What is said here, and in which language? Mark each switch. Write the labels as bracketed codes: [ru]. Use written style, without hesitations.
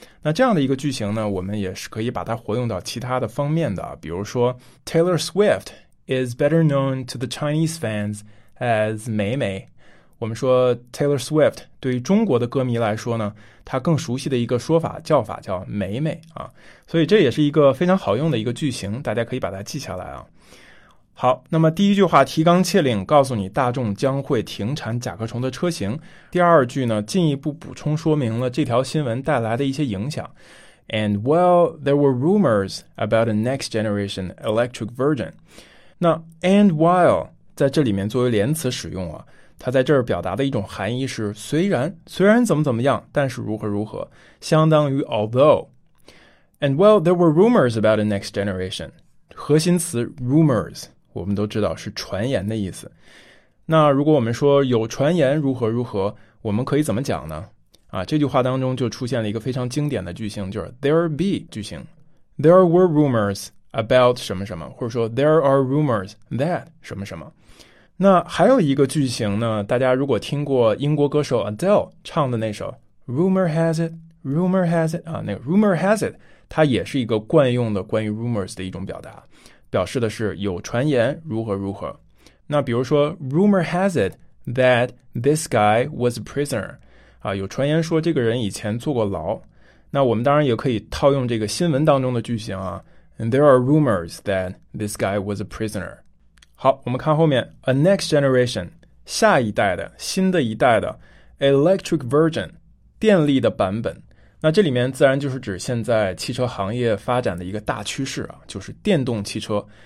[zh] 那这样的一个句型呢，我们也是可以把它活用到其他的方面的，比如说 [en] Taylor Swift is better known to the Chinese fans as [zh] 美美，我们说 Taylor Swift 对于中国的歌迷来说呢，他更熟悉的一个说法叫法叫美美啊，所以这也是一个非常好用的一个句型，大家可以把它记下来啊。好，那么第一句话提纲挈领告诉你大众将会停产甲壳虫的车型，第二句呢进一步补充说明了这条新闻带来的一些影响。 [en] And well, there were rumors about a next generation electric version. [zh] 那 [en] and while [zh] 在这里面作为连词使用啊，它在这儿表达的一种含义是虽然怎么怎么样，但是如何如何，相当于 [en] although. And well, there were rumors about a next generation. [zh] 核心词 rumors我们都知道是传言的意思。那如果我们说有传言如何如何，我们可以怎么讲呢？啊，这句话当中就出现了一个非常经典的句型，就是 there be 句型。 [en] There were rumors about [zh] 什么什么，或者说 [en] there are rumors that 什么什么。 [zh] 那还有一个句型呢，大家如果听过英国歌手 Adele 唱的那首 [en] Rumor has it, Rumor has it [zh] 啊，那个 [en] Rumor has it， [zh] 它也是一个惯用的关于 rumors 的一种表达。表示的是有传言如何如何。那比如说 [en] Rumor has it that this guy was a prisoner、 [zh] 啊、有传言说这个人以前坐过牢。那我们当然也可以套用这个新闻当中的句型啊， [en] And there are rumors that this guy was a prisoner。 [zh] 好，我们看后面 [en] A next generation [zh] 下一代的新的一代的 [en] Electric version [zh] 电力的版本，那这里面自然就是指现在汽车行业发展的一个大趋势啊，就是电动汽车。